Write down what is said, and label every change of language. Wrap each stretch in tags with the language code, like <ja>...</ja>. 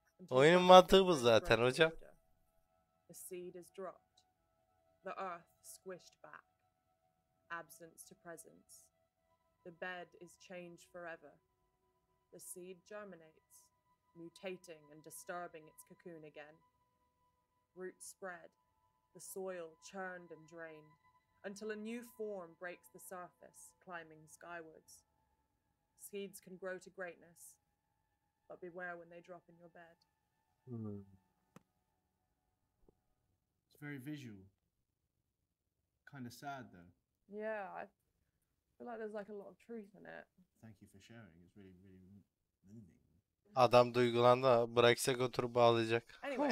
<tr>Oyunun mantığı bu zaten hocam.</tr> <en>The seed is dropped. The earth squished back. Absence to presence. The bed is changed forever. The seed germinates, mutating and disturbing its cocoon again. Roots spread, the soil churned and drained, until a new form breaks the surface, climbing skywards. Seeds can grow to greatness, but beware when they drop in your bed. It's very visual. Kind of sad, though. Yeah, I feel like there's like a lot of truth in it. Thank you for sharing. It's really, really...</en> <tr>Adam duygulandı, bıraksak oturup ağlayacak.</tr>